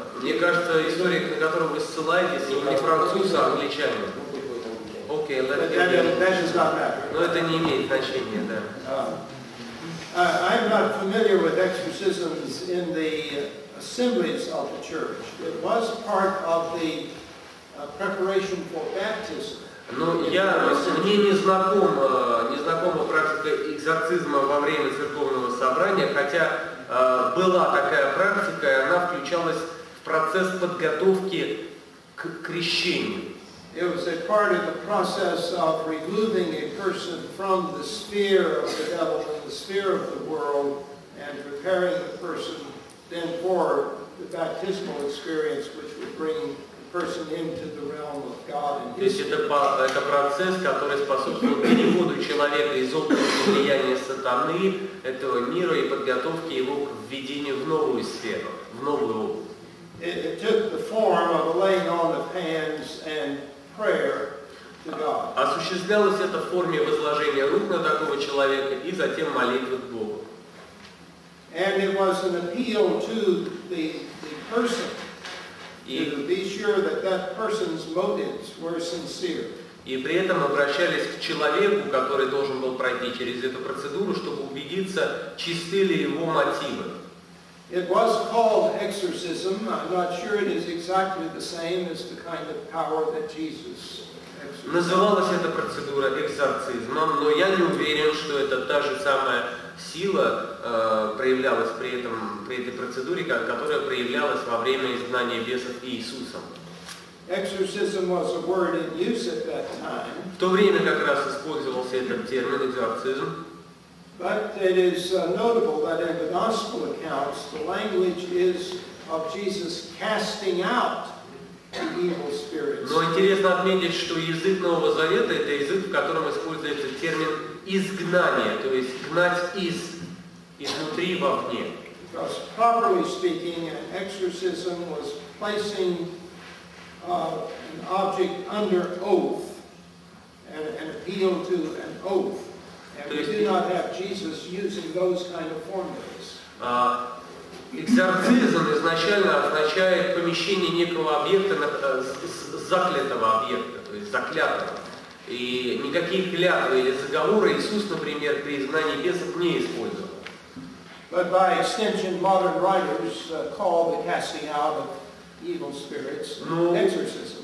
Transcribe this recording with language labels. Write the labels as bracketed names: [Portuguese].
[Russian] Мне кажется, историк, на которого вы ссылаетесь, он не француз, а англичанин. Окей, но это не имеет значения, да. [English] I'm not familiar with exorcisms in the assemblies of the church. It was part of the preparation for baptism. [Russian] Но мне не знакома практика экзорцизма во время церковного собрания, хотя была такая практика, и она включалась процесс подготовки к крещению. [English] It was a part of the process of removing a person from the sphere of the devil and the sphere of the world and preparing the person then for the baptismal experience which would bring person into the realm of God and his spirit. [Russian] То есть это процесс, который способствует переводу человека из области влияния сатаны, этого мира, и подготовки его к введению в новую сферу, в новую область. [English] It took the form of laying on of hands and prayer to God. [Russian] Осуществлялось это в форме возложения рук на такого человека и затем молитвы к Богу. [English] And it was an appeal to the person to be sure that that person's motives were sincere. [Russian] И при этом обращались к человеку, который должен был пройти через эту процедуру, чтобы убедиться, чисты ли его мотивы. [English] It was called exorcism. I'm not sure it is exactly the same as the kind of power that Jesus exercised. [Russian] Называлась эта процедура экзорцизмом, но я не уверен, что это та же самая сила проявлялась при этом, при этой процедуре, которая проявлялась во время изгнания бесов Иисусом. [English] Exorcism was a word in use at that time. [Russian] В то время как раз использовался этот термин экзорцизм. [English] But it is notable that in the gospel accounts the language is of Jesus casting out evil spirits. [Russian] Но интересно отметить, что язык Нового Завета — это язык, в котором используется термин изгнание, то есть гнать из, изнутри вовне. [English] Because properly speaking, an exorcism was placing an object under oath, an appeal to an oath. And we do not have Jesus using those kind of formulas. [Russian] Экзорцизм изначально означает помещение некого объекта на заклятого объекта, то есть заклятого. И никакие клятвы или заговоры Иисус, например, при изгнании бесов не использовал. [English] But by extension, modern writers call the casting out of evil spirits exorcism.